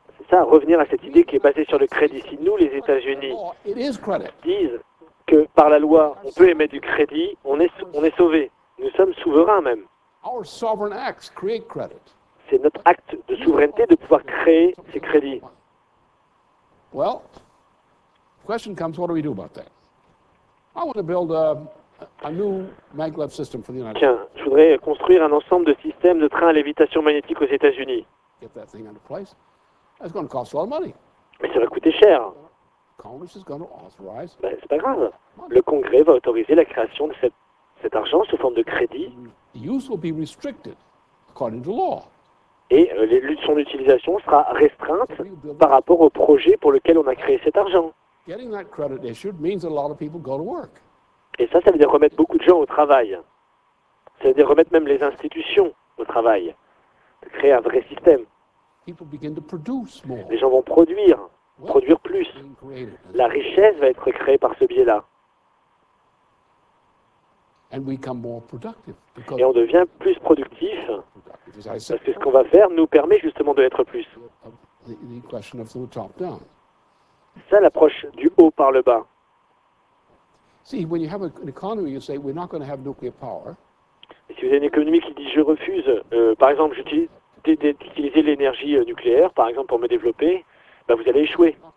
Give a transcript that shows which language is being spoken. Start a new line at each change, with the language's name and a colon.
French: Ça, revenir à cette idée qui est basée sur le crédit. Si nous, les États-Unis, disent que par la loi, on peut émettre du crédit, on est sauvés. Nous sommes souverains même. C'est notre acte de souveraineté de pouvoir créer ces crédits.
English: Well, question comes, what do we do about that? I want to build a new maglev system for the United States.
French: Tiens, je voudrais construire un ensemble de systèmes de trains à lévitation magnétique aux États-Unis.
English: Get that thing into place. It's going to cost a lot of money.
French: Mais ça va coûter cher.
English: Congress is going to authorize.
French: Ben, c'est pas grave. Le Congrès va autoriser la création de cette cet argent sous forme de crédit.
English: Use will be restricted according to law.
French: Et son utilisation sera restreinte par rapport au projet pour lequel on a créé cet argent.
English: Getting that credit issued means a lot of people go to work.
French: Et ça veut dire remettre beaucoup de gens au travail. Ça veut dire remettre même les institutions au travail, de créer un vrai système.
English: People begin to produce more.
French: Les gens vont produire plus. La richesse va être créée par ce biais-là.
English: And we become more productive because
French: et on devient plus productif parce que ce qu'on va faire nous permet justement d'être plus. Ça, l'approche du haut par le bas.
English: See, when you have an economy, you say, we're not going to have nuclear power.
French: Et si vous avez une économie qui dit, je refuse, par exemple, d'utiliser l'énergie nucléaire, par exemple, pour me développer, ben, vous allez échouer.